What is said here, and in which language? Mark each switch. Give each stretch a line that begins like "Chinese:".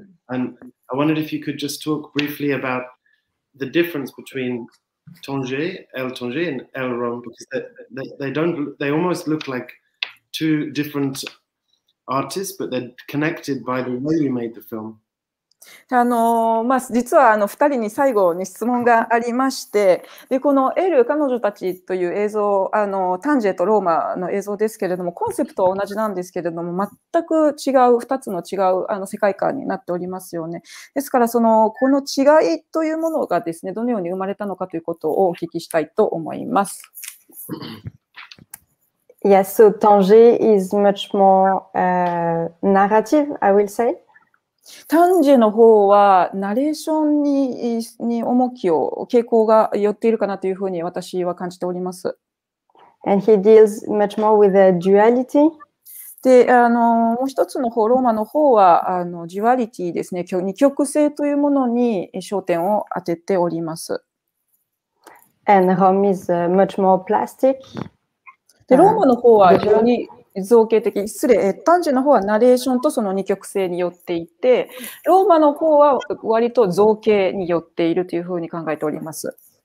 English: And I wondered if you could just talk briefly about the difference between Tanger, El Tanger, and El Rom, because they almost look like two different artists, but they're connected by the way you made the film.
Japanese: まあ、実は二人に最後に質問がありまして、で、このエル、彼女たちという映像、タンジェとローマの映像ですけれども、コンセプトは同じなんですけれども、全く違う、二つの違う世界観になっておりますよね。ですから、この違いというものがですね、どのように生まれたのかということをお聞きしたいと思います。
English: Yes, so Tanger is much more, narrative, I will say.
Japanese: タンジェの方はナレーションに重きを傾向が寄っているかなというふうに私は感じております。
English: And he deals much more with the duality.
Japanese: で、もう一つのホローマの方は、デュアリティですね。二極性というものに焦点を当てております。
English: And Rome is much more plastic.
Japanese: で、ローマの方は非常に造形的、失礼、タンジェの方はナレーションとその二極性によっていて、ローマの方は割と造形によっているというふうに考えております。